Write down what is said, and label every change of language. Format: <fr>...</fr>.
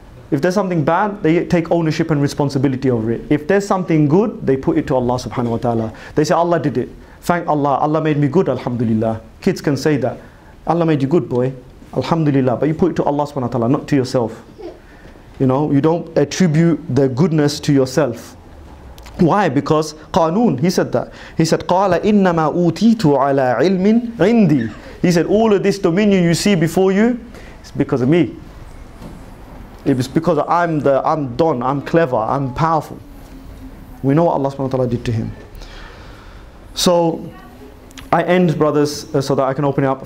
<en>If there's something bad, they take ownership and responsibility over it. If there's something good, they put it to Allah subhanahu wa ta'ala. They say, Allah did it. Thank Allah, Allah made me good, alhamdulillah. Kids can say that. Allah made you good, boy, alhamdulillah. But you put it to Allah subhanahu wa ta'ala, not to yourself. You know, you don't attribute the goodness to yourself. Why? Because Qanun, he said that. He said,</en> <ar>قَالَ إِنَّمَا أُوتِيتُ عَلَىٰ عِلْمٍ عِنْدِي.</ar> <en>He said, all of this dominion you see before you, it's because of me. It was because I'm clever, I'm powerful. We know what Allah subhanahu wa ta'ala did to him. So I end, brothers, so that I can open it up.</en>